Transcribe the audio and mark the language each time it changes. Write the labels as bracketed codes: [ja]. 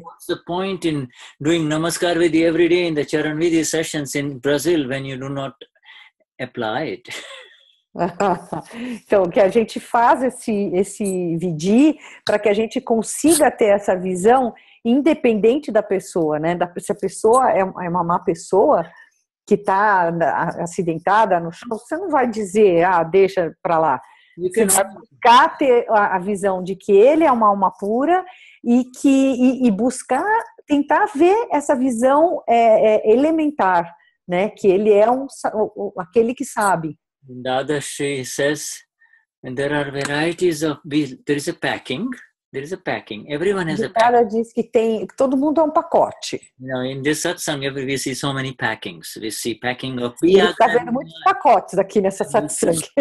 [en] What's the point in doing Namaskar Vidhi every day in the Charan Vidhi sessions in Brazil when you do not apply it? [pt] Então, que a gente faz esse Vidhi para que a gente consiga ter essa visão independente da pessoa, né? Se a pessoa é uma má pessoa que está acidentada no chão, você não vai dizer, ah, deixa para lá. Você vai buscar ter a visão de que ele é uma alma pura e buscar, tentar ver essa visão elementar, né? Que ele é aquele que sabe. [en] Dadashri says, and there are varieties of, there is a packing. Everyone has a packing. [pt] Dada diz que tem, todo mundo é um pacote. [en] You know, in this satsang, we see so many packings. We see packing of biya. [pt] A gente está vendo muitos pacotes aqui nessa satsang.